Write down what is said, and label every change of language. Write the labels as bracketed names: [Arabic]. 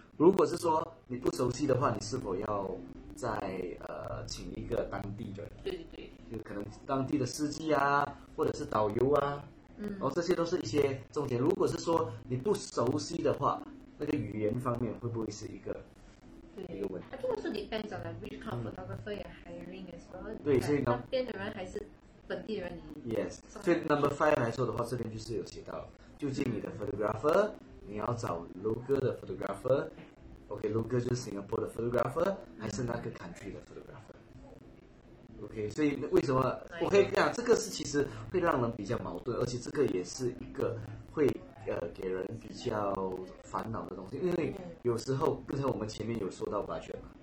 [Chinese] 如果是说你不熟悉的话，你是否要？在请一个当地的，对对对，就可能当地的司机啊，或者是导游啊，嗯，哦，这些都是一些重点。如果是说你不熟悉的话，那个语言方面会不会是一个问题？ [English] I think also depends on which kind of photographer you're hiring as well. [Chinese] 对，所以当地的人还是本地的人。 Yes， 所以 number five 来说的话，这边就是有写到，究竟你的 photographer， 你要找 local 的 photographer。 OK， 卢哥就是 Singapore 的 photographer， 还是那个 country 的 photographer。 OK， 所以为什么 OK 这样？这个是其实会让人比较矛盾，而且这个也是一个会给人比较烦恼的东西，因为有时候刚才我们前面有说到 budget 嘛，